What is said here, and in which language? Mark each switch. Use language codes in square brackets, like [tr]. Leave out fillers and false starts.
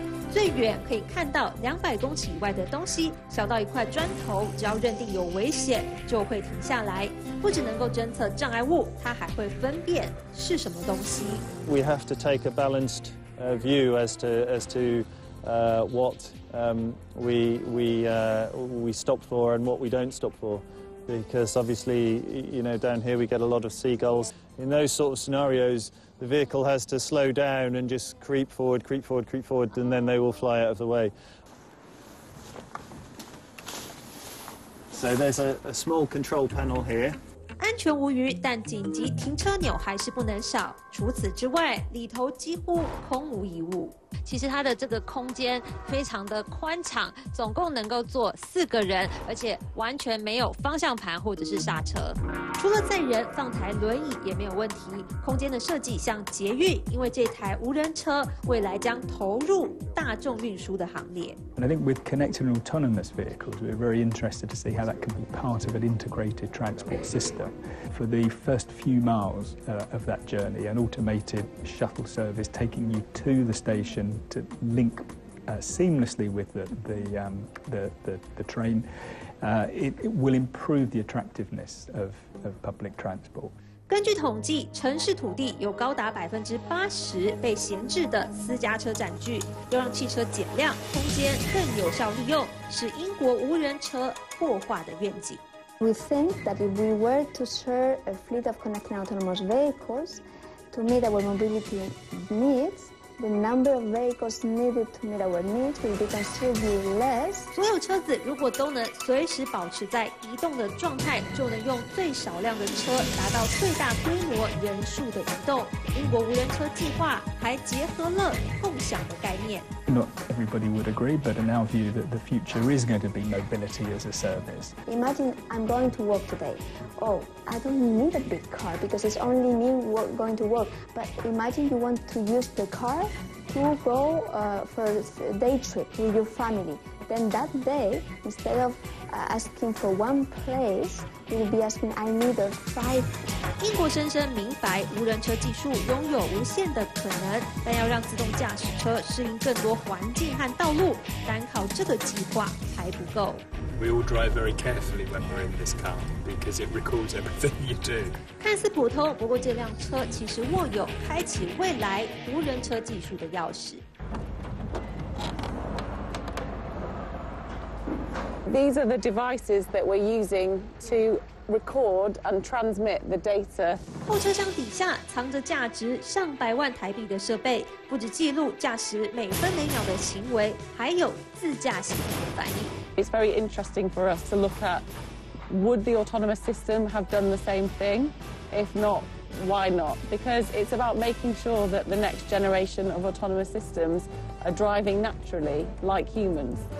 [zh] 最远可以看到200公尺以外的东西，小到一块砖头，只要认定有危险就会停下来。不只能够侦测障碍物，它还会分辨是什么东西。 [en] We have to take a balanced view as to what we stop for and what we don't stop for, because obviously you know down here we get a lot of seagulls. In those sort of scenarios. The vehicle has to slow down and just creep forward, creep forward, creep forward, and then they will fly out of the way. So there's a small control panel here. [zh] 安全无虞，但紧急停车钮还是不能少。除此之外，里头几乎空无一物。其实它的这个空间非常的宽敞，总共能够坐四个人，而且完全没有方向盘或者是刹车。除了载人，放台轮椅也没有问题。空间的设计像捷运，因为这台无人车未来将投入大众运输的行列。 [en] And I think with connected and autonomous vehicles, we're very interested to see how that can be part of an integrated transport system. For the first few miles of that journey, an automated shuttle service taking you to the station. To link seamlessly with the train, it will improve the attractiveness of public transport. [zh] 根据统计，城市土地有高达80%被闲置的私家车占据，要让汽车减量，空间更有效利用，是英国无人车破化的愿景。 [en] We think that if we were to share a fleet of connected autonomous vehicles to meet our mobility needs. The number of vehicles needed to meet our needs will be considerably less. [zh] 所有车子如果都能随时保持在移动的状态，就能用最少量的车达到最大规模人数的移动。英国无人车计划还结合了共享的概念。 [en] Not everybody would agree, but in our view, that the future is going to be mobility as a service. Imagine I'm going to work today. Oh, I don't need a big car because it's only me going to work. But imagine you want to use the car to go for a day trip with your family. Then that day, instead of asking for one place, you'll be asking, I need a five. [zh] 英国深深明白，无人车技术拥有无限的可能，但要让自动驾驶车适应更多环境和道路，单靠这个计划还不够。 [en] We all drive very carefully when we're in this car because it records everything you do. [zh] 看似普通，不过这辆车其实握有开启未来无人车技术的钥匙。 [en] These are the devices that we're using to. Record and transmit the data. [zh] 后车厢底下藏着价值上百万台币的设备，不止记录驾驶每分每秒的行为，还有自驾系统的反应。 [en] It's very interesting for us to look at. Would the autonomous system have done the same thing? If not, why not? Because it's about making sure that the next generation of autonomous systems are driving naturally like humans.